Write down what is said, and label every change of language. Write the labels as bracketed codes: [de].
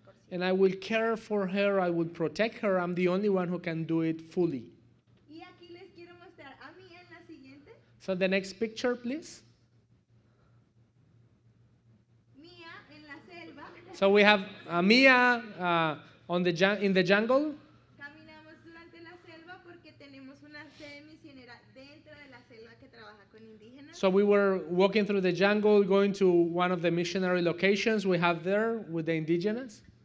[en] And I will care for her, I will protect her, I'm the only one who can do it fully. [es] Y aquí les quiero mostrar a Mia en la siguiente. [en] So the next picture, please. [es] Mia en la selva. [en] So we have Mia in the jungle. [es] Caminamos durante la selva porque tenemos una sede misionera dentro de la selva que trabaja con indígenas. [en] So we were walking through the jungle, going to one of the missionary locations we have there with the indigenous.